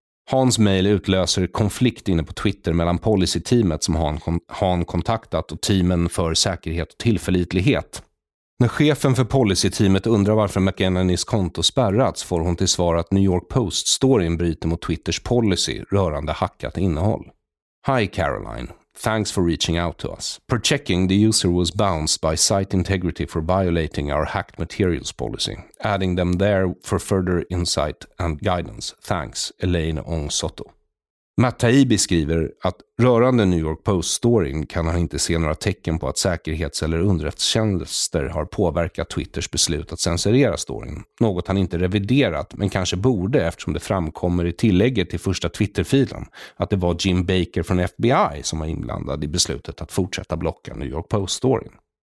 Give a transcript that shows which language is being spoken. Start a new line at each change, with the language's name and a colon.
Swedish: Hans mejl utlöser konflikt inne på Twitter mellan policy-teamet som han kontaktat och teamen för säkerhet och tillförlitlighet. När chefen för policy-teamet undrar varför McEnanys konto spärrats får hon till svar att New York Post står i en bryter mot Twitters policy rörande hackat innehåll.
English: "Hi Caroline, thanks for reaching out to us. Per checking, the user was bounced by site integrity for violating our hacked materials policy. Adding them there for further insight and guidance. Thanks, Elaine Ong Soto."
Swedish: Matt Taibbi skriver att rörande New York Post-storyn kan han inte se några tecken på att säkerhets- eller underrättelsetjänster har påverkat Twitters beslut att censurera storyn. Något han inte reviderat, men kanske borde eftersom det framkommer i tillägget till första Twitter-filen att det var Jim Baker från FBI som var inblandad i beslutet att fortsätta blocka New York Post-storyn.